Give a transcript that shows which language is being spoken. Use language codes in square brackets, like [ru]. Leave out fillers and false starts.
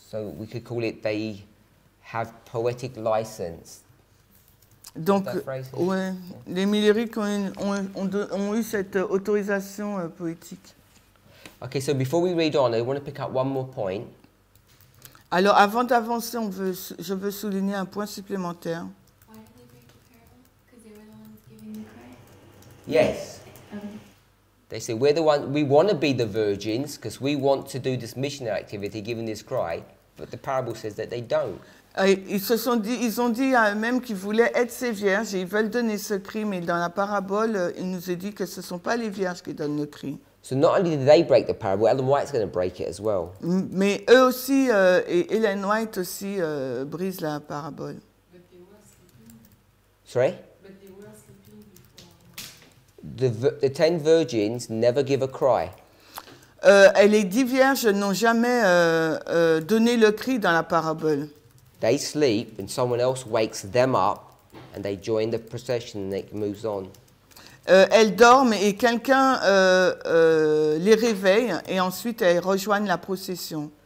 [en] So we could call it they have poetic license. [fr] Donc, ouais, les milériques ont eu cette autorisation poétique. [en] Okay, so before we read on, I want to pick up one more point. [fr] Alors, avant d'avancer, je veux souligner un point supplémentaire. [en] Why did they break the parable? Because they were the ones giving the cry? Yes. They say, we're the ones, we want to be the virgins, because we want to do this missionary activity, giving this cry, but the parable says that they don't. [fr] Ils ont dit à eux-mêmes qu'ils voulaient être ces vierges et ils veulent donner ce cri, mais dans la parabole, il nous a dit que ce ne sont pas les vierges qui donnent le cri. [en] So not only did they break the parable, Ellen White's going to break it as well. [fr] Mais eux aussi, et Ellen White aussi brise la parabole. [en] But they were sleeping before. The 10 virgins never give a cry. [fr] Et les 10 vierges n'ont jamais donné le cri dans la parabole. [en] They sleep and someone else wakes them up and they join the procession and it moves on. [fr] Elles dorment et quelqu'un les réveille et ensuite elles rejoignent la procession.